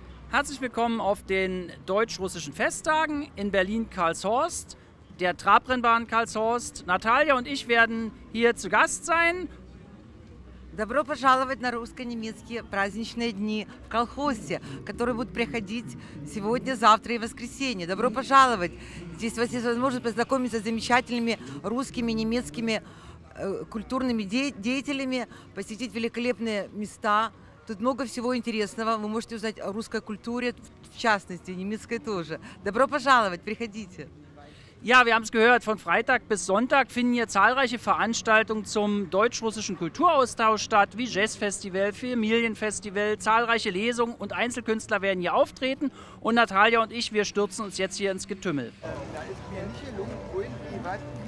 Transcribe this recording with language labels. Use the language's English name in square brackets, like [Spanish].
[German] Herzlich willkommen auf den deutsch-russischen Festtagen in Berlin-Karlshorst, der Trabrennbahn Karlshorst. Natalia und ich werden hier zu Gast sein. [Russian] Добро пожаловать на русско-немецкие праздничные дни в Колхозе, которые будут приходить сегодня, завтра и воскресенье. Добро пожаловать! Здесь у вас есть возможность познакомиться с замечательными русскими, немецкими культурными деятелями, посетить великолепные места. Тут много всего интересного. Вы можете узнать о русской культуре, в частности, немецкой тоже. Добро пожаловать! Приходите! [German] Ja, wir haben es gehört, von Freitag bis Sonntag finden hier zahlreiche Veranstaltungen zum deutsch-russischen Kulturaustausch statt, wie Jazzfestival, Familienfestival, zahlreiche Lesungen und Einzelkünstler werden hier auftreten. Und Natalia und ich, wir stürzen uns jetzt hier ins Getümmel. Da ist mir nicht gelungen, wohin die Weiß.